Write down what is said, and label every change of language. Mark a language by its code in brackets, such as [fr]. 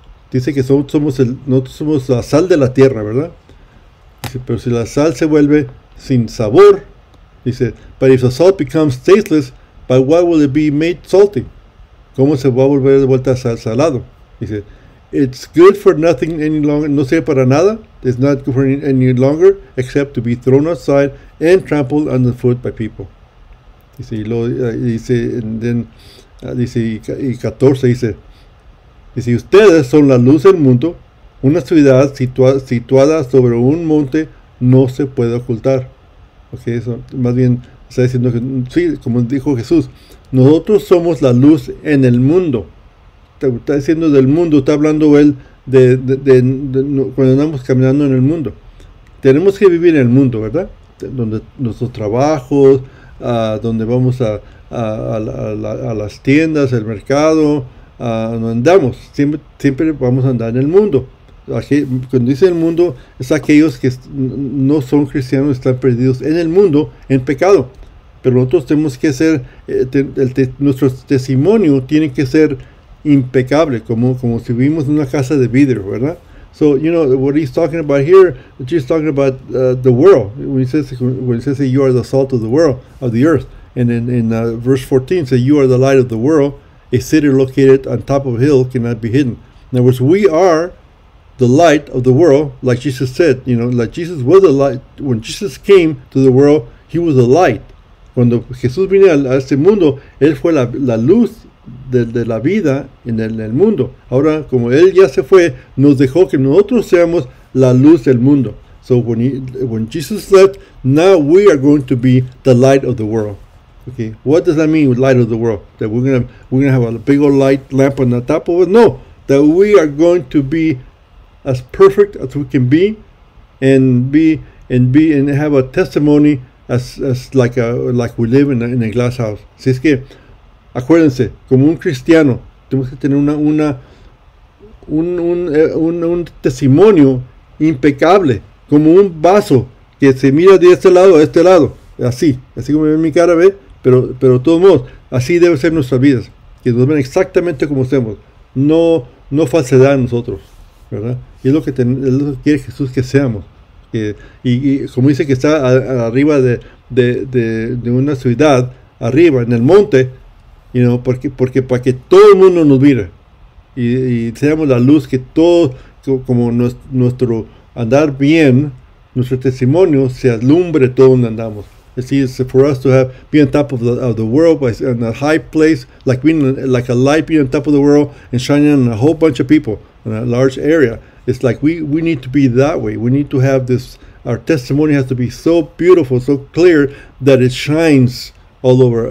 [es] Dice que nosotros somos la sal de la tierra, ¿verdad? Dice, pero si la sal se vuelve sin sabor, dice, [en] but if the salt becomes tasteless, by what will it be made salty? [es] ¿Cómo se va a volver de vuelta salado? [en] Dice, it's good for nothing any longer, [es] no sirve para nada, [en] it's not good for any longer, except to be thrown outside and trampled underfoot by people. [es] Dice, y luego, dice, [en] and then, [es] dice, y 14 dice, y si ustedes son la luz del mundo, una ciudad situada sobre un monte no se puede ocultar. Okay, eso más bien está diciendo que, sí, como dijo Jesús, nosotros somos la luz en el mundo. Está diciendo del mundo, está hablando él de cuando andamos caminando en el mundo. Tenemos que vivir en el mundo, ¿verdad? Donde nuestros trabajos, donde vamos a las tiendas, al mercado. No andamos, siempre vamos a andar en el mundo. Cuando dice el mundo, es aquellos que no son cristianos, están perdidos en el mundo, en pecado. Pero nosotros tenemos que ser, nuestro testimonio tiene que ser impecable, como si vivimos en una casa de vidrio, ¿verdad? [en] So, you know, what he's talking about here, he's talking about the world. When he says that you are the salt of the world, of the earth, and in verse 14, say you are the light of the world. A city located on top of a hill cannot be hidden. In other words, we are the light of the world, like Jesus said. You know, like Jesus was the light. When Jesus came to the world, he was the light. [es] Cuando Jesús vino a este mundo, él fue la luz de la vida en el mundo. Ahora, como él ya se fue, nos dejó que nosotros seamos la luz del mundo. [en] So when Jesus left, now we are going to be the light of the world. Okay, what does that mean with light of the world? That we're gonna have a big old light lamp on the top of it? No, that we are going to be as perfect as we can be, and be and have a testimony as like we live in a glass house. [es] Si es que acuérdense, como un cristiano, tenemos que tener un testimonio impecable, como un vaso que se mira de este lado a este lado, así como ven mi cara, ¿ve? Pero de todos modos, así debe ser nuestras vidas, que nos ven exactamente como somos, no falsedad en nosotros, ¿verdad? Y es lo que quiere Jesús que seamos. Y como dice que está arriba de una ciudad, arriba, en el monte, [en] you know, [es] porque para que todo el mundo nos mire y seamos la luz que todos, como nuestro andar bien, nuestro testimonio, se alumbre todo donde andamos. [en] It's for us to have be on top of the world by in a high place, like being like a light being on top of the world and shining on a whole bunch of people in a large area. It's like we need to be that way. We need to have this. Our testimony has to be so beautiful, so clear that it shines all over.